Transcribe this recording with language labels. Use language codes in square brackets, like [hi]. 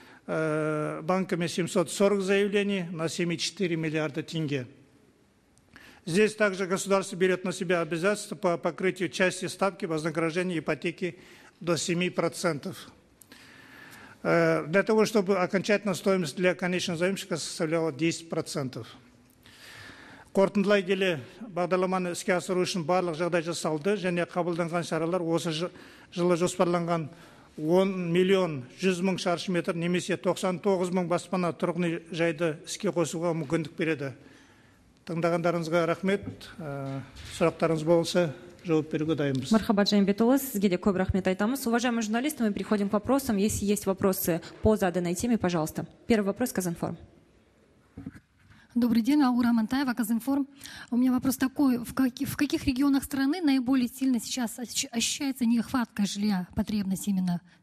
[ru] банками 740 заявлений на 7,4 миллиарда тенге. Здесь также государство берет на себя обязательства по покрытию части ставки вознаграждения ипотеки до 7%. Для того, чтобы окончательная стоимость для конечного заемщика составляла 10%. [kk] Қортындылай келе, бағдарламаны іске асыру үшін барлық жағдай жасалды, және қабылданған шаралар осы жылы жоспарланған 10 миллион 100 мың шаршы метр, немесе 99 мың баспана тұрғын жайды іске қосуға мүмкіндік береді. Тыңдағандарыңызға рахмет, сұрақтарыңыз болса, жауап беруге дайынбыз. Мархабат Жайымбетұлы, сізге де көп рахмет айтамыз. [ru] Уважаемые журналисты, мы переходим к вопросам. Если есть вопросы по заданной теме, пожалуйста. Первый вопрос, Казинформ. Добрый день, Аура Амантаева, Казинформ. У меня вопрос такой. В каких регионах страны наиболее сильно сейчас ощущается нехватка жилья, потребность именно?